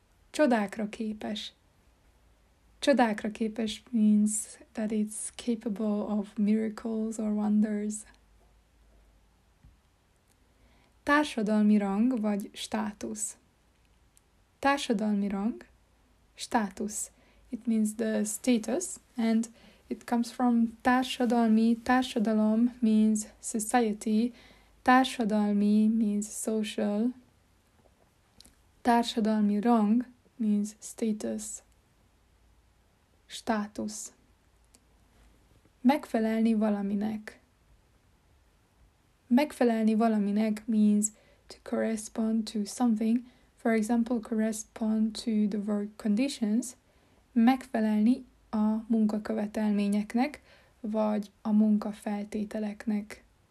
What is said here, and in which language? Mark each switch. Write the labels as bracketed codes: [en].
[hu] Csodákra képes. Csodákra képes [en] means that it's capable of miracles or wonders. [hu] Társadalmi rang vagy státusz. Társadalmi rang, státusz. [en] It means the status and it comes from társadalmi. Társadalom means society. Társadalmi means social. Társadalmi rang means status. Státusz. [hu] Megfelelni valaminek. [en] Megfelelni valaminek means to correspond to something. For example, correspond to the work conditions. [hu] Megfelelni a munkakövetelményeknek, vagy a munkafeltételeknek.